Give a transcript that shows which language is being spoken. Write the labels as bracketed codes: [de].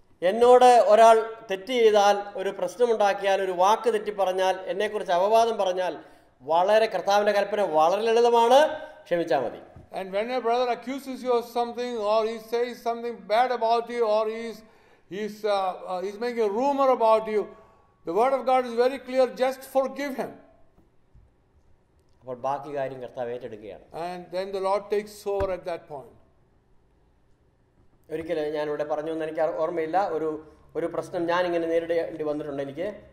[ml] എന്നോട് ഒരാൾ തെറ്റ് ചെയ്താൽ ഒരു പ്രശ്നമുണ്ടാക്കിയാൽ ഒരു വാക്ക് തെറ്റി പറഞ്ഞാൽ എന്നെ കുറിച്ച് അപവാദം പറഞ്ഞാൽ വളരെ കർത്താവിന്റെ കൽപ്പന വളരെ ലളിതമാണ് ക്ഷമിച്ചാൽ മതി. [en] And when a brother accuses you of something or he says something bad about you or he's making a rumor about you, the word of God is very clear, just forgive him. [ml] അപ്പോൾ ബാക്കി കാര്യം കർത്താവ് ഏറ്റെടുക്കുകയാണ്. [en] And then the Lord takes over at that point. [ml] ഒരിക്കലെ ഞാൻ ഇവിടെ പറഞ്ഞു എന്ന് എനിക്ക് ഓർമ്മയില്ല ഒരു പ്രശ്നം ഞാൻ ഇങ്ങനെ നേരിടേണ്ടി വന്നിട്ടുണ്ട് എനിക്ക്.